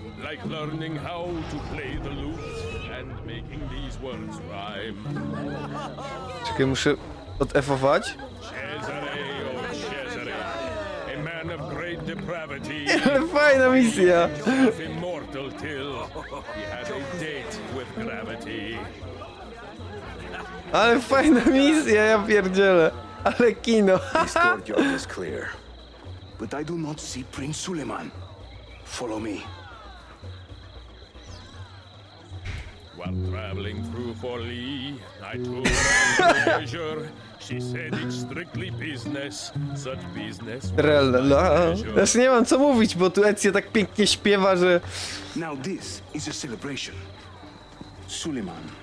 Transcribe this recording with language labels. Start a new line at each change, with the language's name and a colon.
English: Like learning how to play the lute and making these words rhyme.
Polish: Czekaj, muszę odefować.
English: Cesare, oh Cesare, a man of great depravity.
Polish: Fajna misja.
English: Immortal till he had a date with gravity.
Polish: Ale fajna misja, ja pierdzielę. Ale kino.
English: This courtyard is clear, but I do not see Prince Suleiman. Follow me. While traveling through Forli, I took her pleasure. She said it's strictly business, such business. Relala.
Polish: Znaczy nie mam co mówić, bo tu Ezio tak pięknie śpiewa, że...
English: Now this is a celebration. Suleiman,